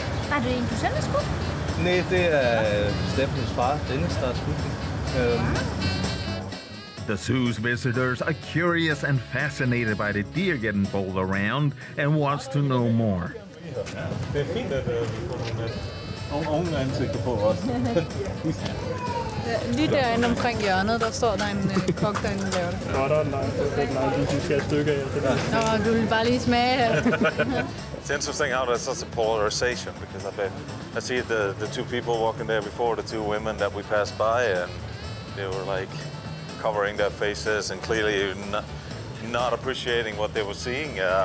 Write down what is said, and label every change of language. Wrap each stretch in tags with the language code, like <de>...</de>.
<da>Var det en, du selv har skudt? Nej, det er Steffens far, Dennis, der har skudt den.</da> <en>The zoo's visitors are curious and fascinated by the deer getting pulled around and wants to know more.</en> <da>Ja, det er fint, at vi får nogle unge ansigter på os. Lige derinde omkring hjørnet, der står der en kok, der inde laver det. Nå, der er en lang tid, du skal et stykke af det der. Nå, du vil bare lige smage her.</da> <en>It's interesting how there's such a polarization, because I see the two people walking there before, the two women that we passed by, and they were like covering their faces and clearly not appreciating what they were seeing.</en>